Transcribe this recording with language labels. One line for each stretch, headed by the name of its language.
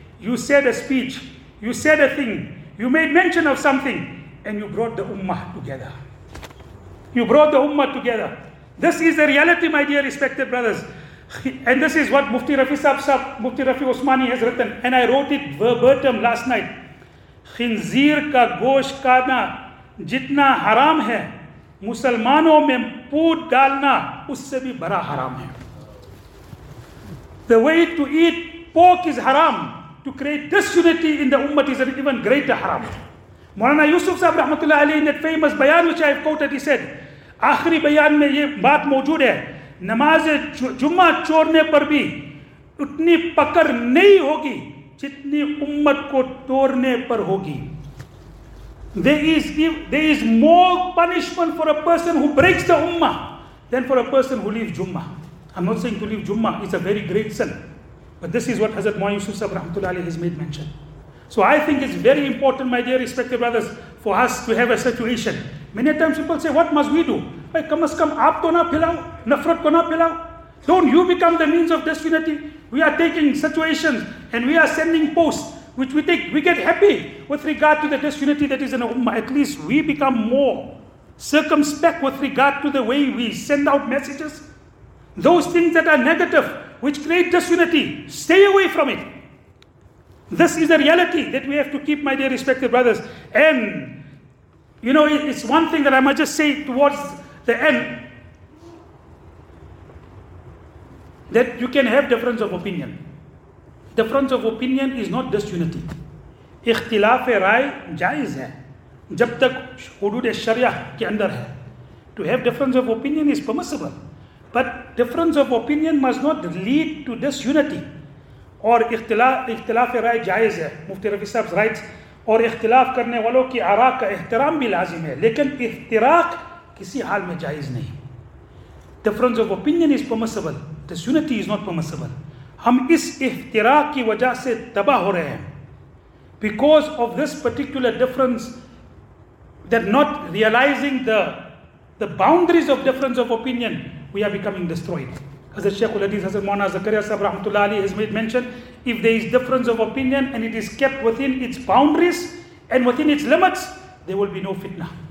English: You said a speech, you said a thing, you made mention of something, and you brought the ummah together. You brought the ummah together. This is the reality, my dear respected brothers. And this is what Mufti Rafi Sahab, Mufti Rafi Osmani has written. And I wrote it verbatim last night.
Urdu: خنزیر کا گوشت کھانا جتنا حرام ہے, مسلمانوں میں پوت ڈالنا اس سے بھی بڑا حرام ہے.
English: The way to eat pork is haram. To create disunity in the ummah is an even greater haram.
Urdu: مولانا یوسف صاحب رحمت اللہ علیہ
English: in that famous
Urdu: بیان
English: which I have quoted, he said,
Urdu: آخری بیان میں یہ بات موجود ہے, نماز جمعہ چھوڑنے پر بھی اتنی پکڑ نہیں ہوگی جتنی امت کو توڑنے پر ہوگی.
English: There is more punishment for a person who breaks the ummah than for a person who leaves Jummah. I'm not saying to leave Jummah is a very great sin, but this is what Hazrat Maulana Yusuf Sahib Rahmatullah Ali has made mention. So I think it's very important, my dear respected brothers, for us to have a situation. Many times people say, what must we do? Hey,
Urdu: kam az kam aap to na philao,
English: nafrat ko na philao. Don't you become the means of disunity? We are taking situations and we are sending posts which we take, we get happy with regard to the disunity that is in the ummah. At least we become more circumspect with regard to the way we send out messages. Those things that are negative, which create disunity, stay away from it. This is a reality that we have to keep, my dear respected brothers. And, you know, it's one thing that I must just say towards the end, that you can have difference of opinion. Difference of opinion is not disunity.
Urdu: اختلاف رائے جائز ہے جب تک حدود شریعہ کے اندر ہے.
English: To have difference of opinion is permissible. But difference of opinion must not lead to disunity.
Urdu: اور اختلاف رائے جائز ہے, مفتی رفیع صاحب رائٹس, اور اختلاف کرنے والوں کی آراء کا احترام بھی لازم ہے, لیکن افتراق کسی حال میں جائز نہیں.
English: Difference of opinion is permissible. Disunity is not permissible.
Urdu: ہم اس افتراق کی وجہ سے تباہ ہو رہے ہیں.
English: Because of this particular difference, that not realizing the boundaries of difference of opinion, we are becoming destroyed. Hazrat Sheikh Al-Hadith Hazrat Maulana Zakaria Sahib Rahmatullah Ali has made mention, if there is difference of opinion and it is kept within its boundaries and within its limits, there will be no fitna.